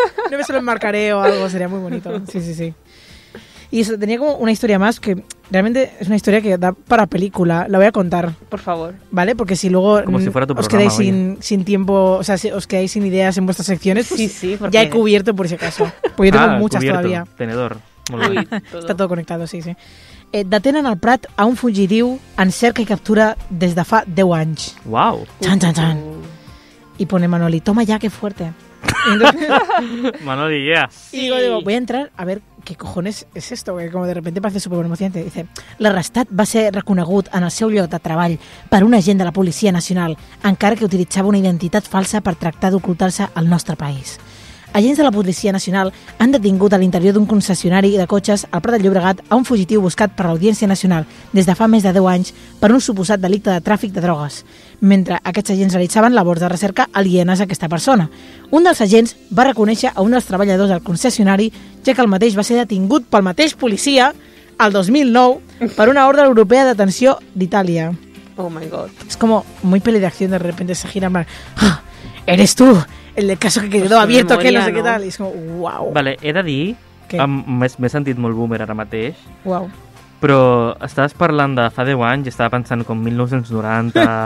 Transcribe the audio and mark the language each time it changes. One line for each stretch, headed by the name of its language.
Spanish: No me se lo enmarcaré o algo, sería muy bonito. Sí, sí, sí. Y eso, tenía como una historia más que realmente es una historia que da para película. La voy a contar. Por favor. ¿Vale? Porque si luego... Como si fuera tu programa, os quedáis sin tiempo, o sea, si os quedáis sin ideas en vuestras secciones, pues sí, sí, porque... ya he cubierto por si acaso. Porque yo tengo muchas cubierto, todavía. Tenedor. Todo. Está todo conectado, sí, sí.
Catalan: Detenen el Prat a un fugitiu en cerca i captura des de fa 10 anys.
English: Wow. Chan, chan, chan.
Spanish: I pone Manoli, toma ya, que fuerte.
English: Manoli, yeah.
Spanish: Sí. Y digo, voy a entrar a ver qué cojones es esto, que como de repente parece súper emocionante. Dice,
Catalan: l'arrestat va ser reconegut en el seu lloc de treball per un agent de la Policia Nacional, encara que utilitzava una identitat falsa per tractar d'ocultar-se al nostre país. Agents de la Policia Nacional han detingut a l'interior d'un concessionari de cotxes al Prat de Llobregat a un fugitiu buscat per l'Audiència Nacional des de fa més de 10 anys per un suposat delicte de tràfic de drogues. Mentre aquests agents realitzaven labors de recerca alienes a aquesta persona, un dels agents va reconèixer a un dels treballadors del concessionari, ja que el mateix va ser detingut pel mateix policia el 2009 per una ordre europea de detenció d'Itàlia.
English: Oh my God.
Catalan: És com
Spanish: muy peli de acción, de repente se gira mal. Ah, eres tú! El caso que quedó abierto, que no sé qué tal.
Catalan: I és com, uau. Vale, he de dir, m'he sentit molt boomer ara mateix. Uau. Però estaves parlant de fa 10 anys i estava pensant com 1990...